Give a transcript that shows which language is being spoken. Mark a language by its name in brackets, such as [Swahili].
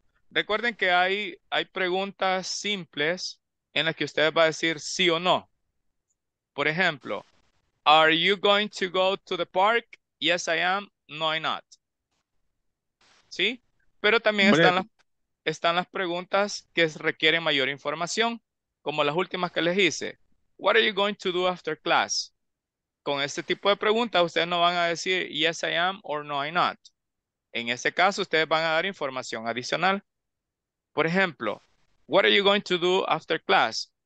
[Spanish] Recuerden que hay preguntas simples en las que ustedes va a decir sí o no. Por ejemplo, [English] are you going to go to the park? Yes, I am. No, I'm not. ¿Sí? [Spanish] Pero también están las preguntas que requieren mayor información, como las últimas que les hice. [English] What are you going to do after class? [Spanish] Con este tipo de preguntas, ustedes no van a decir [English] yes, I am, or no, I'm not. [Spanish] En ese caso, ustedes van a dar información adicional. Por ejemplo, [English] what are you going to do after class?